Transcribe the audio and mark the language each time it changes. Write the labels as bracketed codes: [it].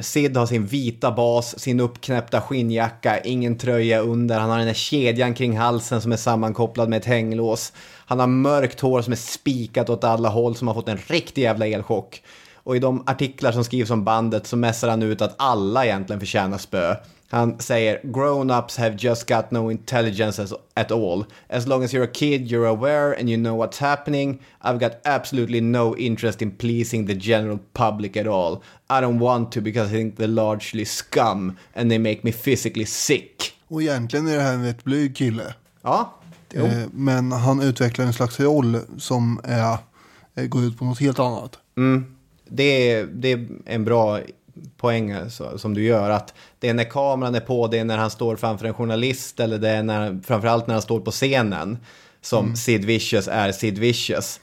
[sv] Sid har sin vita bas, sin uppknäppta skinnjacka, ingen tröja under. Han har den här kedjan kring halsen som är sammankopplad med ett hänglås. Han har mörkt hår som är spikat åt alla håll, som har fått en riktig jävla elchock. Och i de artiklar som skrivs om bandet så mässar han ut att alla egentligen förtjänar spö. Han säger, [en] grown-ups have just got no intelligence at all. As long as you're a kid, you're aware and you know what's happening. I've got absolutely no interest in pleasing the general public at all. I don't want to because I think they're largely scum and they make me physically sick. [sv] Och egentligen är det här en rätt blyg kille. Ja. Men han utvecklar en slags roll som går ut på något helt annat. Mm. Det är en bra poäng som du gör, att det är när kameran är på, det är när han står framför en journalist, eller det är framförallt när han står på scenen som Sid Vicious är Sid Vicious.